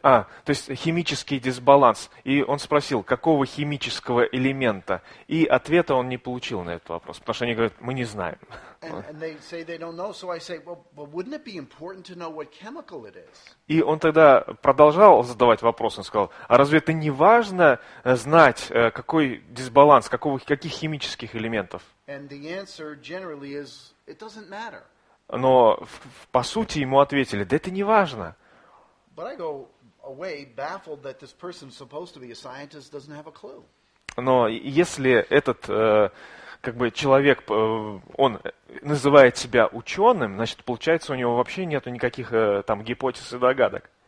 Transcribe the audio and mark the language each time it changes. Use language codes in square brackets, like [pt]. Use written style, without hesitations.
[ru] А, то есть химический дисбаланс. И он спросил, какого химического элемента? И ответа он не получил на этот вопрос, потому что они говорят, мы не знаем. [en] And they say they don't know, so I say, well, wouldn't it be important to know what chemical it is? [ru] И он тогда продолжал задавать вопрос, он сказал, а разве это не важно знать, какой дисбаланс, каких химических элементов? [en] And the answer generally is, it doesn't matter. [ru] Но по сути ему ответили, да это не важно. [en] But I go away baffled that this person supposed to be a scientist doesn't have a clue. [ru] Но если этот как бы человек, он называет себя ученым, значит, получается, у него вообще нету никаких там гипотез и догадок.